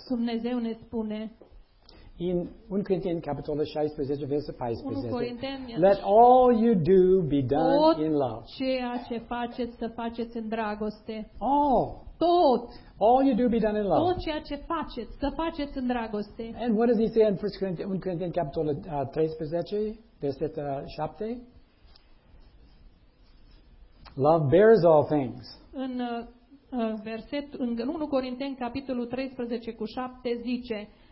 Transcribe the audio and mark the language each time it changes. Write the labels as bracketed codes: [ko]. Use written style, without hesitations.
[ro] Dumnezeu ne spune. [en] In 1 Corinthians chapter 16 verse 15. Let all you do be done [ro] tot [en] in love. [ro] Ceea ce faceți să faceți în dragoste. [en] All. [ro] Tot. [en] All you do be done in love. [ro] Tot ceea ce faceți, să faceți în dragoste. [en] And what does he say in 1 Corinthians chapter 13 verse 7? Love bears all things. [ro] În versetul 1 Corinteni capitolul 13 cu 7 zice